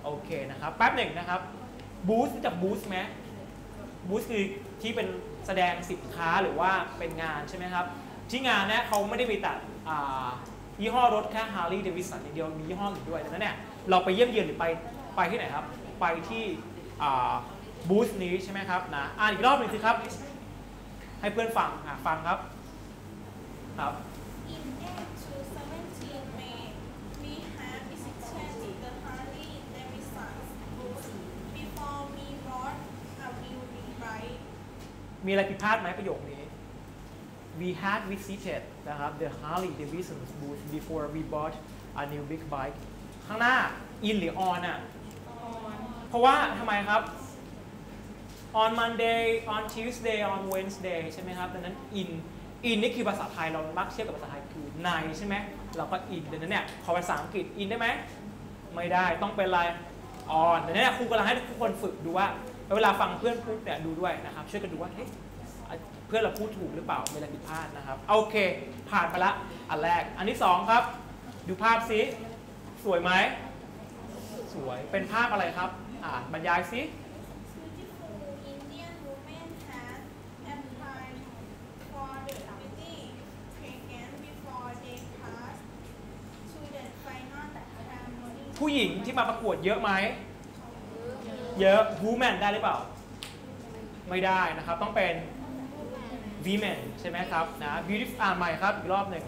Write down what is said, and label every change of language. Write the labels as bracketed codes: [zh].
[th] โอเคนะครับแป๊บหนึ่งนะครับ Booth จาก Booth ไหม Booth คือที่เป็นแสดงสินค้าหรือว่าเป็นงานใช่ไหมครับที่งานเนี่ยเขาไม่ได้ไปตัดยี่ห้อรถแค่ฮาร์ลีย์เดวิสันอย่างเดียวมียี่ห้ออื่นด้วยดังนั้นเนี่ยเราไปเยี่ยมเยือนหรือไปที่ไหนครับไปที่บูธนี้ใช่ไหมครับนะอีกรอบหนึ่งสิครับให้เพื่อนฟังฟังครับครับ [en] In April 17 May we had visited the Harley Davidson booth before we bought a new bike [th] มีอะไรผิดพลาดไหมประโยคนี้ [en] We had visited [th] นะครับ [en] the Harley Davidson booth before we bought a new big bike [th] ข้างหน้า in หรือ on อ่ะเพราะว่าทำไมครับ [en] on Monday on Tuesday on Wednesday [th] ใช่ไหมครับดังนั้น in นี่คือภาษาไทยเรามักเชื่อกับภาษาไทยคือในใช่ไหมเราก็ in ดังนั้นเนี่ยพอภาษาอังกฤษ in ได้ไหมไม่ได้ต้องเป็นอะไร on ดังนั้นครูกำลังให้ทุกคนฝึกดูว่าเวลาฟังเพื่อนพูดเนี่ยดูด้วยนะครับช่วยกันดูว่า เพื่อนเราพูดถูกหรือเปล่าไม่ได้ผิดพลาดนะครับโอเคผ่านไปละอันแรกอันที่สองครับดูภาพสิสวยไหมสวยเป็นภาพอะไรครับบรรยายสิ [en] Beautiful Indian woman has applied for the beauty pageant before they pass to the final ceremony [th] ผู้หญิงที่มาประกวดเยอะไหม เยอะ เยอะ woman ได้หรือเปล่าไม่ได้นะครับต้องเป็น woman ใช่ไหมครับนะ beautiful อ่านใหม่ครับอีกรอบหนึ่ง